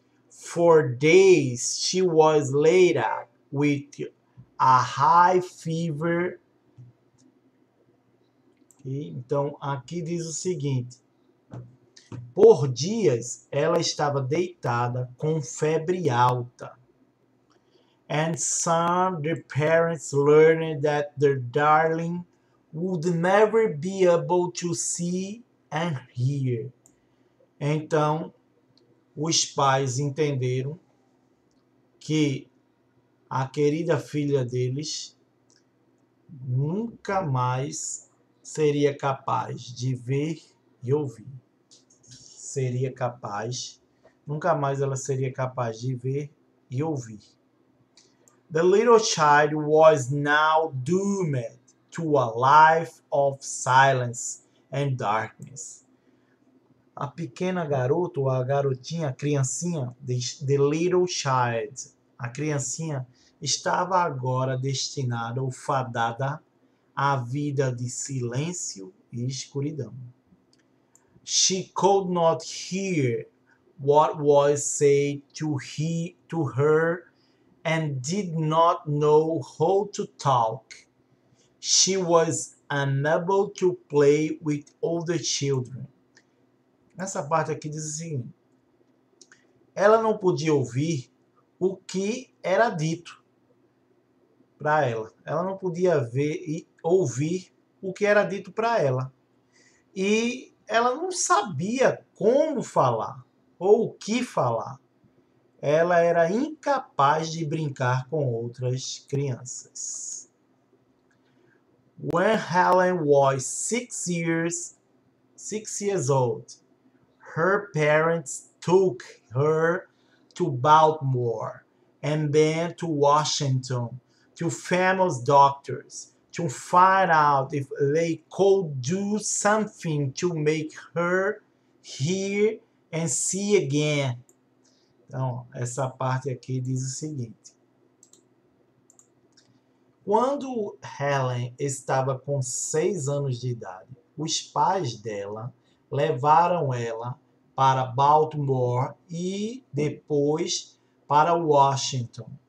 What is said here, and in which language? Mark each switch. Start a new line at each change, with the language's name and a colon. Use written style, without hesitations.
English: For days she was laid up with a high fever.
Portuguese: Então, aqui diz o seguinte: por dias ela estava deitada com febre alta.
English: And some the parents learned that their darling would never be able to see and hear.
Portuguese: Então, os pais entenderam que a querida filha deles nunca mais seria capaz de ver e ouvir. Seria capaz. Nunca mais ela seria capaz de ver e ouvir.
English: The little child was now doomed to a life of silence and darkness.
Portuguese: A pequena garota, ou a garotinha, a criancinha,
English: the little child,
Portuguese: a criancinha, estava agora destinada ou fadada a vida de silêncio e escuridão.
English: She could not hear what was said to her and did not know how to talk. She was unable to play with other children.
Portuguese: Nessa parte aqui diz assim: ela não podia ouvir o que era dito para ela. Ela não podia ver e ouvir o que era dito para ela. E ela não sabia como falar ou o que falar. Ela era incapaz de brincar com outras crianças.
English: When Helen was 6 years old, her parents took her to Baltimore and then to Washington, to famous doctors, to find out if they could do something to make her hear and see again.
Portuguese: Então, essa parte aqui diz o seguinte: quando Helen estava com 6 anos de idade, os pais dela levaram ela para Baltimore e depois para Washington,